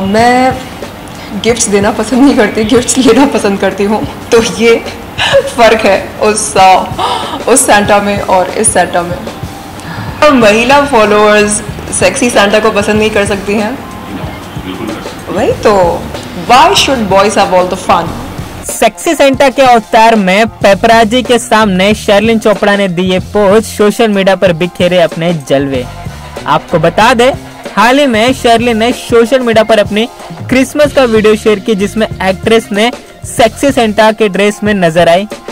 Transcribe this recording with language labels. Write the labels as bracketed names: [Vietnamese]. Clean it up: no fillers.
[Hindi] मैं गिफ्ट्स देना पसंद नहीं करती, गिफ्ट्स लेना पसंद करती हूँ. तो ये फ़र्क है उस सांता में और इस सांता में. महिला फॉलोअर्स सेक्सी सांता को पसंद नहीं कर सकती हैं? वही तो. [English] Why should boys have all the fun? [Hindi] Sexy Santa के अवतार में पेपराजी के सामने शर्लिन चोपड़ा ने दिए पोज सोशल मीडिया पर बिखेरे अपने जलवे. आपको बता दे, हाल ही में शर्लिन ने सोशल मीडिया पर अपनी क्रिसमस का वीडियो शेयर की, जिसमें एक्ट्रेस ने सेक्सी सेंटा के ड्रेस में नजर आई.